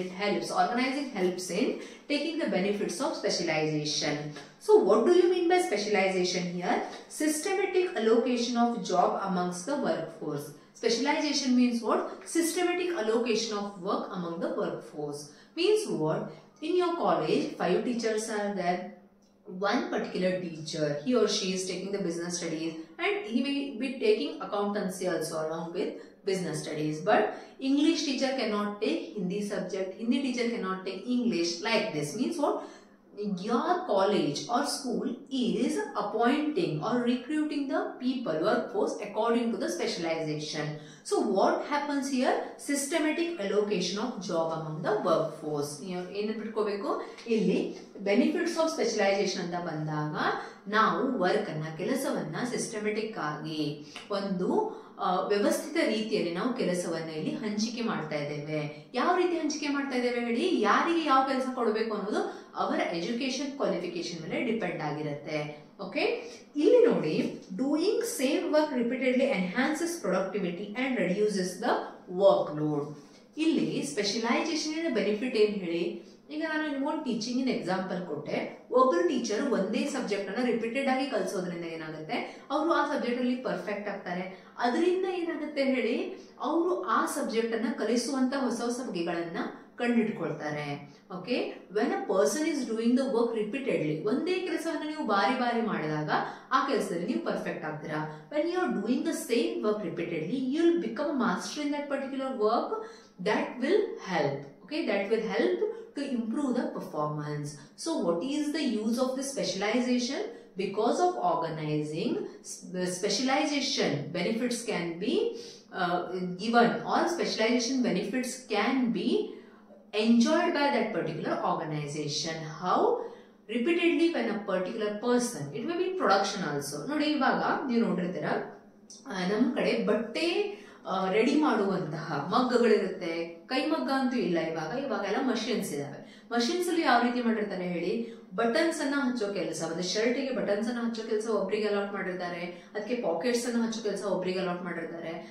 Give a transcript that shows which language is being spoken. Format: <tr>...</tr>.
<en>It helps, organising helps in taking the benefits of specialisation. So what do you mean by specialisation here? Systematic allocation of job amongst the work force. Specialisation means what? Systematic allocation of work among the work force means what? In your college 5 teachers are there. One particular teacher, he or she is taking the business studies and he may be taking accountancy also along with business studies, but English teacher cannot take Hindi subject, Hindi teacher cannot take English, like this. Means what? your college or school is appointing or recruiting the people, your post according to the specialization. So what happens here? Systematic allocation of job among the workforce.</en> <kn>Illi</kn> <en>benefits of specialization</en> <kn>anta bandaga ನಾವು work ಅನ್ನ ಕೆಲಸವನ್ನ systematic ಆಗಿ ಒಂದು ವ್ಯವಸ್ಥಿತ ರೀತಿಯಲ್ಲಿ ನಾವು ಕೆಲಸವನ್ನ ಇಲ್ಲಿ ಹಂಚಿಕೆ ಮಾಡ್ತಾ ಇದ್ದೇವೆ. ಯಾವ ರೀತಿ ಹಂಚಿಕೆ ಮಾಡ್ತಾ ಇದ್ದೇವೆ ಹೇಳಿ, ಯಾರಿಗೆ ಯಾವ ಕೆಲಸ ಕೊಡಬೇಕು ಅನ್ನೋದು ಅವರ ಎಜುಕೇಷನ್ ಕ್ವಾಲಿಫಿಕೇಶನ್ ಮೇಲೆ ಡಿಪೆಂಡ್ ಆಗಿರುತ್ತೆ.</kn> <en>okay,</en> <kn>ಇಲ್ಲಿ ನೋಡಿ,</kn> <en>Doing same work repeatedly enhances productivity and reduces the work load.</en> <kn>ಇಲ್ಲಿ ಸ್ಪೆಷಲೈಸೇಷನ್ ಬೆನಿಫಿಟ್ ಏನು ಹೇಳಿ, ಈಗ ನಾನು ನಿಮ್ಗೊಂದು ಟೀಚಿಂಗ್ ಇನ್ ಎಕ್ಸಾಂಪಲ್ ಕೊಟ್ಟೆ. ಒಬ್ಬರು ಟೀಚರ್ ಒಂದೇ ಸಬ್ಜೆಕ್ಟ್ ಅನ್ನ ರಿಪೀಟೆಡ್ ಆಗಿ ಕಲಿಸೋದ್ರಿಂದ ಏನಾಗುತ್ತೆ, ಅವರು ಆ ಸಬ್ಜೆಕ್ಟ್ ಅಲ್ಲಿ ಪರ್ಫೆಕ್ಟ್ ಆಗ್ತಾರೆ. ಅದರಿಂದ ಏನಾಗುತ್ತೆ ಹೇಳಿ, ಅವರು ಆ ಸಬ್ಜೆಕ್ಟ್ ಅನ್ನ ಕಲಿಸುವಂತ ಹೊಸ ಹೊಸ ಬಗೆಗಳನ್ನ ಕಂಡಿಟ್ಕೊಳ್ತಾರೆ. Okay,</kn> <en>when a person is doing the work repeatedly,</en> <kn>ಒಂದೇ ಕೆಲಸವನ್ನು ನೀವು ಬಾರಿ ಬಾರಿ ಮಾಡಿದಾಗ ಆ ಕೆಲಸದಲ್ಲಿ ನೀವು ಪರ್ಫೆಕ್ಟ್ ಆಗ್ತೀರಾ.</kn> <en>When you are doing the same work repeatedly, you will become master in that particular work. That will help, okay, that will help to improve the performance. So what is the use of the specialization? Because of organizing, specialization benefits can be given, or specialization benefits can be enjoyed by that particular organization. How? Repeatedly, when a particular person, it may be in production also.</en> <kn>ನೋಡಿ, ಇವಾಗ ನೀವು ನೋಡಿರ್ತೀರಾ, ನಮ್ಮ ಕಡೆ ಬಟ್ಟೆ ready ಮಾಡುವಂತಹ ಮಗ್ಗಗಳಿರುತ್ತೆ. ಕೈ ಮಗ್ಗ ಅಂತೂ ಇಲ್ಲ ಇವಾಗ, ಇವಾಗ ಎಲ್ಲ ಮಷಿನ್ಸ್ ಇದಾವೆ. ಮಷಿನ್ಸ್ ಅಲ್ಲಿ ಯಾವ ರೀತಿ ಮಾಡಿರ್ತಾರೆ ಹೇಳಿ, ಬಟನ್ಸ್ ಅನ್ನ ಹಚ್ಚೋ ಕೆಲಸ, ಒಂದು ಶರ್ಟ್ಗೆ ಬಟನ್ಸ್ ಅನ್ನ ಹಚ್ಚೋ ಕೆಲಸ ಒಬ್ಬರಿಗೆ ಅಲಾಟ್ ಮಾಡಿರ್ತಾರೆ, ಅದಕ್ಕೆ ಪಾಕೆಟ್ಸ್ ಅನ್ನ ಹಚ್ಚೋ ಕೆಲಸ ಒಬ್ಬರಿಗೆ ಅಲಾಟ್ ಮಾಡಿರ್ತಾರೆ.</kn>